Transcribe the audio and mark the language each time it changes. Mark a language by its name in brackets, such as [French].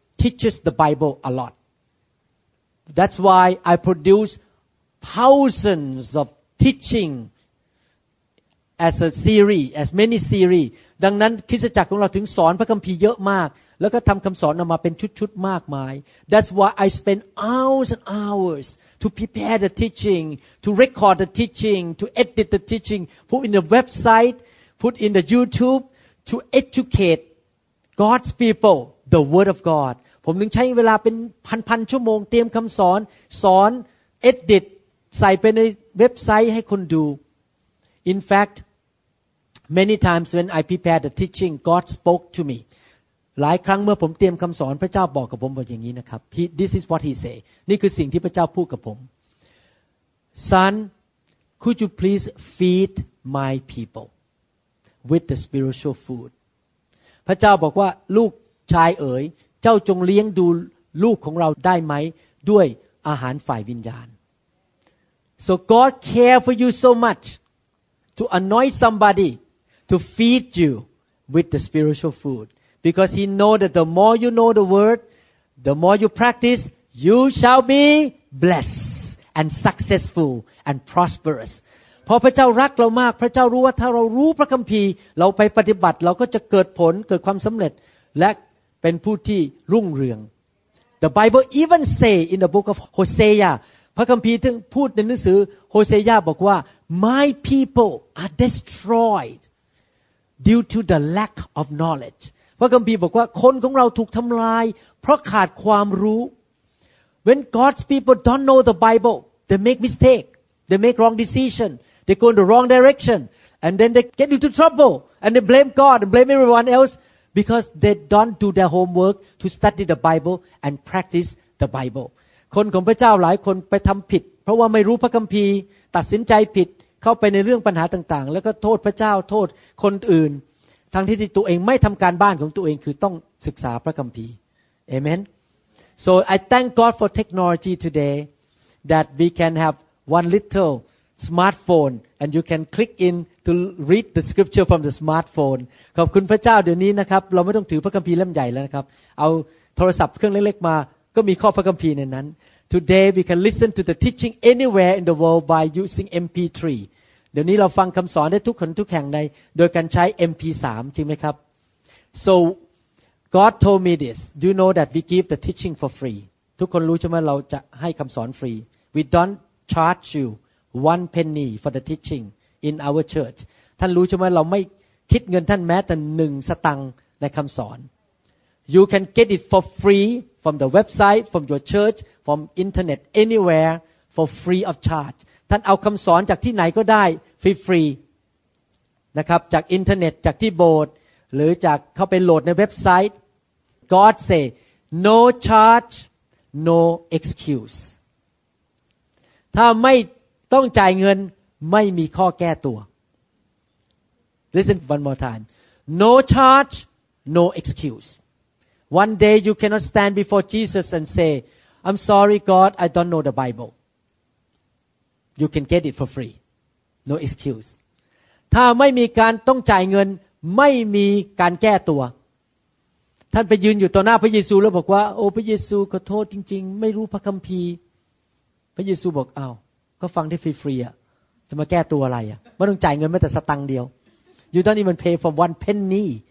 [English] teaches the Bible a lot. That's why I produce thousands of teaching as a series, as many series. [Thai] ดังนั้นคริสตจักรของเราถึงสอนพระคัมภีร์เยอะมากแล้วก็ทำคำสอนออกมาเป็นชุดๆมากมาย [English] That's why I spend hours and hours to prepare the teaching, to record the teaching, to edit the teaching, put in the website, put in the YouTube to educate God's people the word of God. [Thai] ผมถึงใช้เวลาเป็นพันๆชั่วโมงเตรียมคำสอนสอน edit ใส่ไปในเว็บไซต์ให้คนดู [English] In fact many times when I prepare the teaching God spoke to me. [Thai] หลายครั้งเมื่อผมเตรียมคำสอนพระเจ้าบอกกับผมว่าอย่างนี้นะครับ [English] This is what he say [Thai] นี่คือสิ่งที่พระเจ้าพูดกับผม [English] Son could you please feed my people with the spiritual food [Thai] พระเจ้าบอกว่าลูกชายเอ๋ยเจ้าจงเลี้ยงดูลูกของเราได้ไหมด้วยอาหารฝ่ายวิญญาณ [English] So God care for you so much to anoint somebody to feed you with the spiritual foodBecause he know that the more you know the word, the more you practice, you shall be blessed and successful and prosperous. [Thai] เพราะพระเจ้ารักเรามากพระเจ้ารู้ว่าถ้าเรารู้พระคัมภีร์เราไปปฏิบัติเราก็จะเกิดผลเกิดความสำเร็จและเป็นผู้ที่รุ่งเรือง [English] The Bible even say in the book of Hosea, [Thai] พระคัมภีร์ถึงพูดในหนังสือโฮเซียบอกว่า [English] My people are destroyed due to the lack of knowledge. [Thai] พระคัมภีร์บอกว่าคนของเราถูกทำลายเพราะขาดความรู้ [English] When God's people don't know the Bible, they make mistake, they make wrong decision, they go in the wrong direction, and then they get into trouble, and they blame God and blame everyone else because they don't do their homework to study the Bible and practice the Bible. [Thai] คนของพระเจ้าหลายคนไปทำผิดเพราะว่าไม่รู้พระคัมภีร์ตัดสินใจผิดเข้าไปในเรื่องปัญหาต่างๆแล้วก็โทษพระเจ้าโทษคนอื่นทั้งที่ตัวเองไม่ทำการบ้านของตัวเองคือต้องศึกษาพระคัมภีร์ Amen [English] So I thank God for technology today that we can have one little smartphone and you can click in to read the scripture from the smartphone [Thai] ขอบคุณพระเจ้าเดี๋ยวนี้นะครับเราไม่ต้องถือพระคัมภีร์เล่มใหญ่แล้วนะครับเอาโทรศัพท์เครื่องเล็กๆมาก็มีข้อพระคัมภีร์ในนั้น [English] Today we can listen to the teaching anywhere in the world by using MP3 [Thai] เดี๋ยวนี้เราฟังคำสอนได้ทุกคนทุกแห่งในโดยการใช้ MP3 จริงไหมครับ [English] So God told me this You know that we give the teaching for free [Thai] ทุกคนรู้ใช่ไหมเราจะให้คำสอนฟรี [English] We don't charge you one penny for the teaching in our church [Thai] ท่านรู้ใช่ไหมเราไม่คิดเงินท่านแม้แต่หนึ่งสตังค์ในคำสอน [English] You can get it for free from the website from your church from internet anywhere for free of charge [Thai] ท่านเอาคำสอนจากที่ไหนก็ได้ฟรีๆนะครับจากอินเทอร์เน็ตจากที่โบสถ์หรือจากเข้าไปโหลดในเว็บไซต์ [English] God say no charge no excuse [Thai] ถ้าไม่ต้องจ่ายเงินไม่มีข้อแก้ตัว [English] Listen one more time no charge no excuse One day you cannot stand before Jesus and say I'm sorry God I don't know the Bible You can get it for free. No excuse. [Thai] ถ้าไม่มีการต้องจ่ายเงินไม่มีการแก้ตัวท่านไปยืนอยู่ต่อหน้าพระเยซูแล้วบอกว่าโอ้พระเยซูขอโทษจริงๆไม่รู้พระคัมภีร์พระเยซูบอกอ้าวก็ฟังได้ฟรีๆอ่ะจะมาแก้ตัวอะไรอ่ะไม่ต้องจ่ายเงินแม้แต่สตังค์เดียว [English] You don't even pay for one penny.